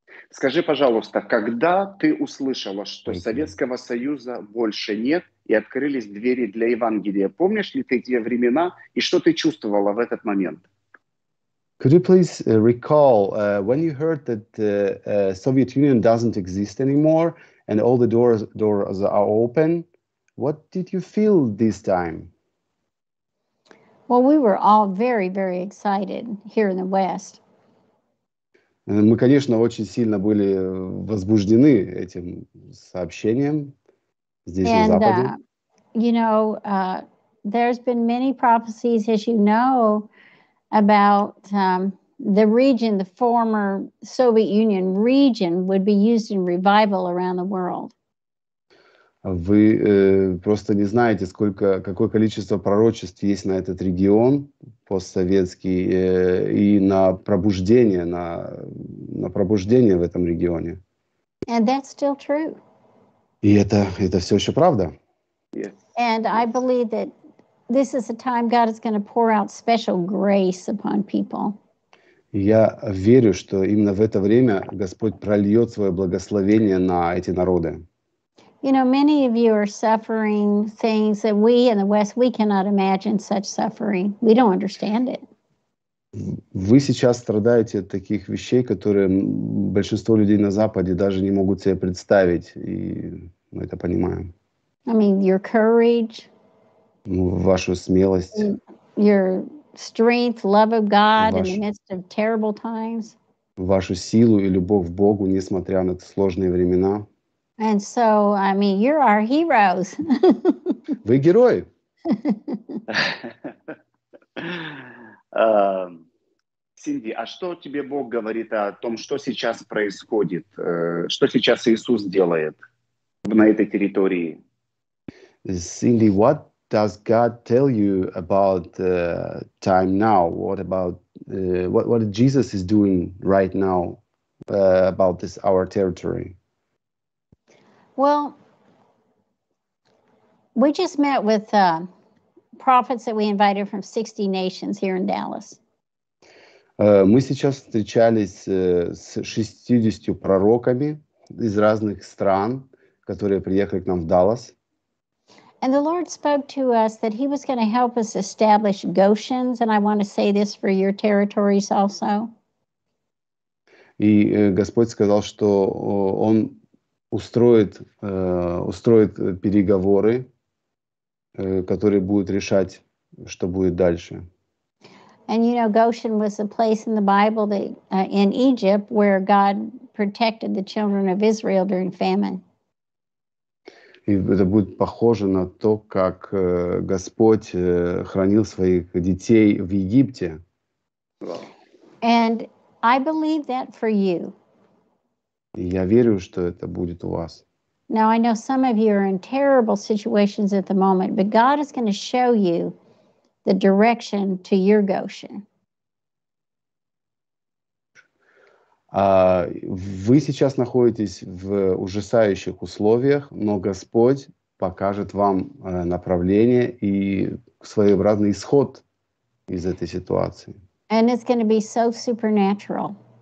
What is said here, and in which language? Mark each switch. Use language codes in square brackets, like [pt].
[ru] Скажи, пожалуйста, когда ты услышала, что Советского Союза больше нет и открылись двери для Евангелия? Помнишь ли ты те времена и что ты чувствовала в этот момент? [en] Could you please recall when you heard that the Soviet Union doesn't exist anymore and all the doors are open? What did you feel this time? Well, we were all very, very excited here in the West. [ru] Мы, конечно, очень сильно были возбуждены этим сообщением здесь, на Западе. [en] You know, there's been many prophecies, as you know, about the region, the former Soviet Union region, would be used in revival around the world. [ru] Вы просто не знаете, сколько, какое количество пророчеств есть на этот регион постсоветский и на пробуждение в этом регионе. [en] And that's still true. [ru] И это все еще правда. [en] Yes. And I believe that this is a time God is going to pour out special grace upon people. [ru] Я верю, что именно в это время Господь прольет свое благословение на эти народы. [en] You know, many of you are suffering things that we in the West, we cannot imagine such suffering. We don't understand it. [ru] Вы сейчас страдаете от таких вещей, которые большинство людей на Западе даже не могут себе представить, и мы это понимаем. [en] I mean, your courage. [ru] Вашу смелость. [en] Your strength, love of God in the midst of terrible times. [ru] Вашу силу и любовь к Богу, несмотря на сложные времена. [en] And so, I mean, you're our heroes. [ru] Вы герои. а что тебе Бог говорит о том, что сейчас происходит, что сейчас Иисус делает на этой территории? [en] Cindy, what does God tell you about the time now? What about what Jesus is doing right now about this our territory? Well, we just met with prophets that we invited from 60 nations here in Dallas. [ru] Мы сейчас встречались с 60 пророками из разных стран, которые приехали к нам в Даллас. [en] And the Lord spoke to us that he was going to help us establish Goshens, and I want to say this for your territories also. [ru] И Господь сказал, что он устроит переговоры, которые будут решать, что будет дальше. [en] And you know, Goshen was a place in the Bible that in Egypt where God protected the children of Israel during famine. [ru] И это будет похоже на то, как Господь хранил своих детей в Египте. [en] And I believe that for you. [ru] Я верю, что это будет у вас. [en] Now I know some of you are in terrible situations at the moment, but God is going to show you the direction to your Goshen. [ru] Вы сейчас находитесь в ужасающих условиях, но Господь покажет вам направление и своеобразный исход из этой ситуации. [en] And it's going to be so supernatural.